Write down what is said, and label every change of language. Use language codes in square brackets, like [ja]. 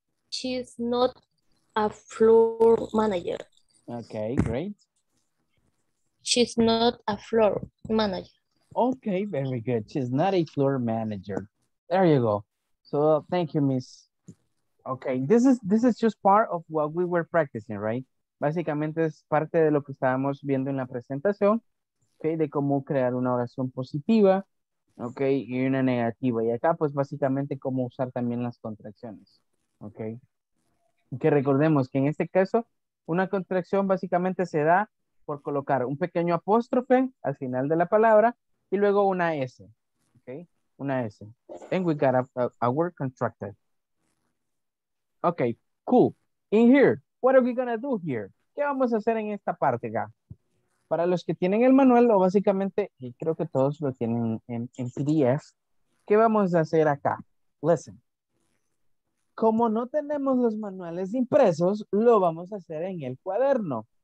[en] She's not a floor manager. Okay, great. She's not a floor manager. Okay, very good. She's not a floor manager. There you go. So thank you, Miss. Okay, this is just part of what we were practicing, right? [es] Básicamente es parte de lo que estábamos viendo en la presentación, okay, de cómo crear una oración positiva, okay, y una negativa. Y acá, pues, básicamente cómo usar también las contracciones, okay. Que recordemos que en este caso, una contracción básicamente se da por colocar un pequeño apóstrofe al final de la palabra y luego una S, okay, una S. [en] And we got a word contracted. Okay, cool. In here, what are we gonna do here? [es] ¿Qué vamos a hacer en esta parte acá? Para los que tienen el manual, o básicamente, y creo que todos lo tienen en PDF, ¿qué vamos a hacer acá? Listen. Como no tenemos los manuales impresos, lo vamos a hacer en el cuaderno.